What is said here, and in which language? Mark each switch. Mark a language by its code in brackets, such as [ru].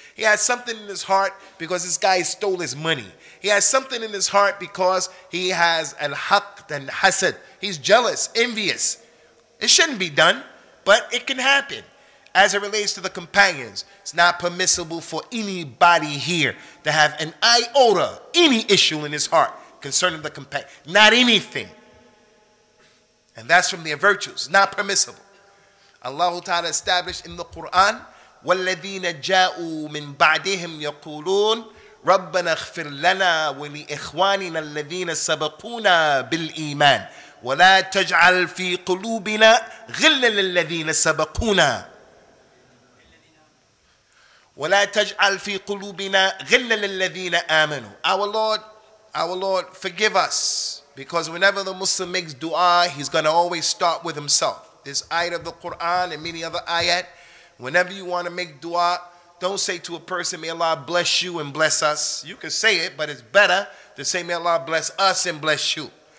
[en] He has something in his heart because this guy stole his money. He has something in his heart because he has al-haqd and hasad. He's jealous, envious. It shouldn't be done. But it can happen. As it relates to the companions, it's not permissible for anybody here to have an iota, any issue in his heart concerning the companions. Not anything. And that's from their virtues. Not permissible. Allah Ta'ala established in the Quran, [ar] وَالَّذِينَ جَاءُوا مِنْ بَعْدِهِمْ يَقُولُونَ رَبَّنَا اغْفِرْ لَنَا وَلِإِخْوَانِنَا الَّذِينَ سَبَقُونَا بِالْإِيمَانِ وَلَا تَجْعَلْ فِي قُلُوبِنَا غِلًّا لِلَّذِينَ سَبَقُونَا وَلَا تَجْعَلْ فِي قُلُوبِنَا غِلًّا لِلَّذِينَ آمَنُوا. [en] Our Lord, forgive us. Because whenever the Muslim makes dua, he's going to always start with himself. This ayat of the Quran and many other ayat, whenever you want to make dua, don't say to a person, may Allah bless you and bless us. You can say it, but it's better to say, may Allah bless us and bless you.